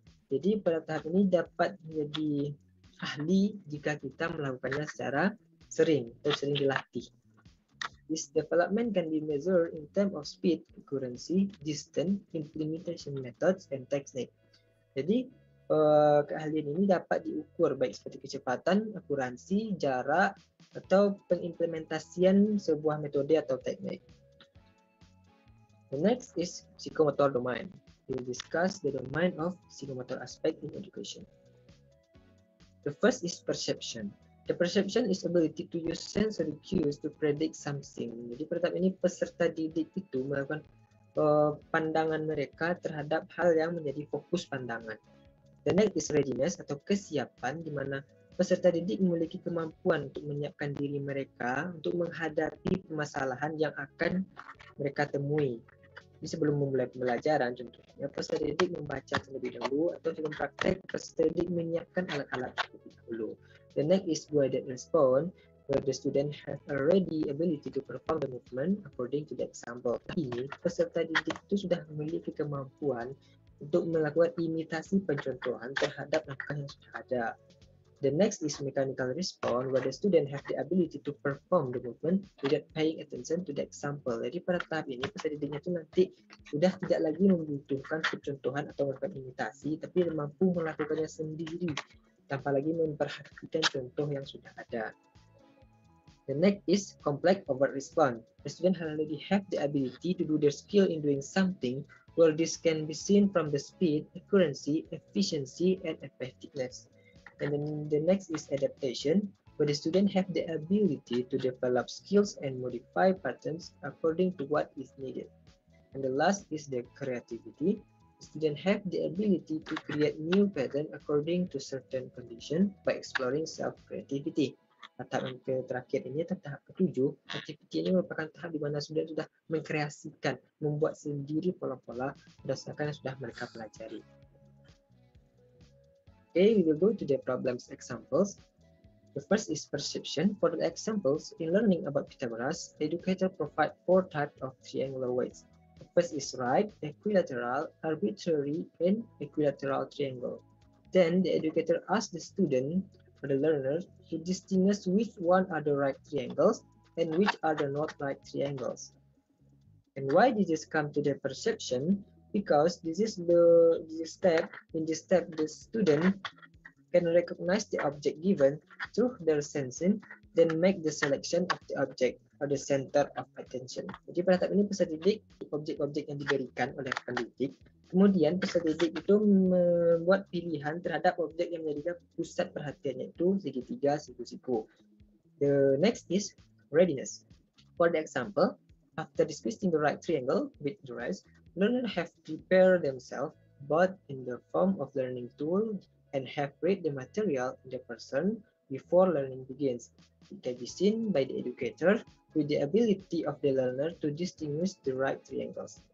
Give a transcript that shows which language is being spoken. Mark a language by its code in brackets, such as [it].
[id] Jadi pada tahap ini dapat menjadi ahli jika kita melakukannya secara sering atau sering dilatih. [en] This development can be measured in terms of speed, accuracy, distance, implementation methods, and technique. [id] Jadi keahlian ini dapat diukur baik seperti kecepatan, akurasi, jarak, atau pengimplementasian sebuah metode atau teknik. [en] The next is psychomotor domain. We will discuss the domain of psychomotor aspect in education. The first is perception. The perception is ability to use sensory cues to predict something. [id] Jadi pada tahap ini peserta didik itu melakukan pandangan mereka terhadap hal yang menjadi fokus pandangan. [en] The next is readiness [id] atau kesiapan, di mana peserta didik memiliki kemampuan untuk menyiapkan diri mereka untuk menghadapi permasalahan yang akan mereka temui. Jadi sebelum memulai pembelajaran, contohnya peserta didik membaca terlebih dahulu atau sebelum praktek peserta didik menyiapkan alat-alat terlebih dahulu. [en] The next is guided response, where the student have a ready ability to perform the movement according to the example. [id] Ini peserta didik itu sudah memiliki kemampuan untuk melakukan imitasi pencontohan terhadap langkah yang sudah ada. [en] The next is mechanical response, where the student have the ability to perform the movement without paying attention to the example. [id] Jadi pada tahap ini, peserta didiknya itu nanti sudah tidak lagi membutuhkan percontohan atau melakukan imitasi, tapi mampu melakukannya sendiri tanpa lagi memperhatikan contoh yang sudah ada. [en] The next is complex overt response. The student already have the ability to do their skill in doing something, where this can be seen from the speed, accuracy, efficiency, and effectiveness. And then the next is adaptation, where the student have the ability to develop skills and modify patterns according to what is needed. And the last is the creativity. The student have the ability to create new pattern according to certain condition by exploring self-creativity. [id] Tahap yang terakhir ini, tahap ketujuh, activity ini merupakan tahap di mana student sudah mengkreasikan, membuat sendiri pola-pola berdasarkan yang sudah mereka pelajari. [en] Okay, we will go to the problems examples. The first is perception. For the examples, in learning about Pythagoras, the educator provide four types of triangular weights. The first is right, equilateral, arbitrary, and equilateral triangle. Then the educator asks the student or the learner to distinguish which one are the right triangles and which are the not right triangles. And why did this come to the perception? Because this step, the student can recognize the object given through their sensing, then make the selection of the object or the center of attention. [id] Jadi pada tahap ini peserta didik objek-objek yang diberikan oleh pendidik, kemudian peserta didik itu membuat pilihan terhadap objek yang menjadikan pusat perhatiannya itu segitiga, siku-siku. [en] The next is readiness. For the example, after discussing the right triangle with the rest, learners have prepared themselves both in the form of learning tool and have read the material in the person before learning begins. It can be seen by the educator with the ability of the learner to distinguish the right triangles.